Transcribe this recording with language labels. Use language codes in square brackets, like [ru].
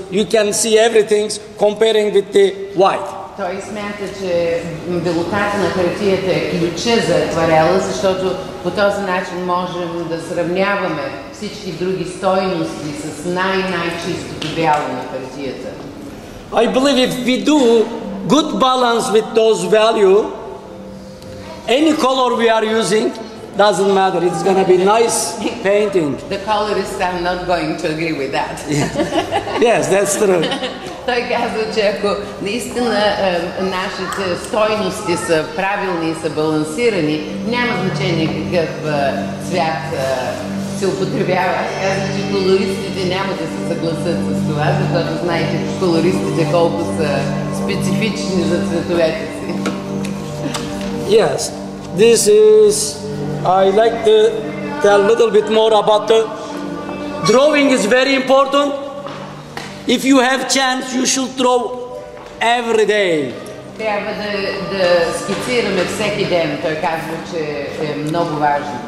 [en] You can see everything comparing with the white. [bg] Той смята, че белотата на хартията е ключа за акварела, защото по този начин можем да сравняваме всички други стойности с най-чистото бяло на хартията. [en] I believe if we do good balance with those value, any color we are using doesn't matter. It's going to be nice painting. The colorist, I'm not going to agree with that. Yes, that's true. [bg] Той казва, че ако наистина нашите стойности са правилни и са балансирани, няма значение какъв цвят се употребява. Казва, че колористите няма да се съгласат с това, защото знаете колористите колко са специфични за цветовете си. [en] Yes, this is, I like to tell a little bit more about the drawing is very important. If you have chance, you should draw every day. [bg] Трябва да скицираме всеки ден, той казва, че е много важно.